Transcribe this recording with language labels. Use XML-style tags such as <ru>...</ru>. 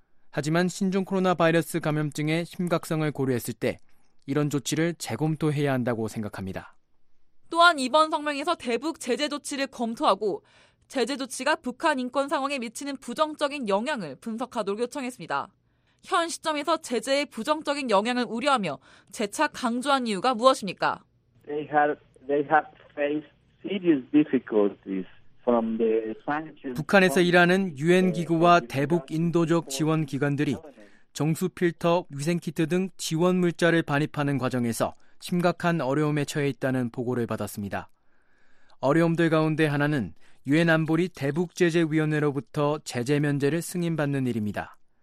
<ko>하지만 신종 코로나 바이러스 감염증의 심각성을 고려했을 때 이런 조치를 재검토해야 한다고 생각합니다. 또한 이번 성명에서 대북 제재 조치를 검토하고 제재 조치가 북한 인권 상황에 미치는 부정적인 영향을 분석하도록 요청했습니다. 현 시점에서 제재의 부정적인 영향을 우려하며 재차 강조한 이유가 무엇입니까?</ko> <en>They have faced serious difficulties from the sanctions.</en> <ko>북한에서 일하는 유엔 기구와 대북 인도적 지원 기관들이 정수 필터, 위생 키트 등 지원 물자를 반입하는 과정에서 심각한 어려움에 처해 있다는 보고를 받았습니다. 어려움들 가운데 하나는 유엔 안보리 대북 제재 위원회로부터 제재 면제를 승인받는 일입니다.</ko>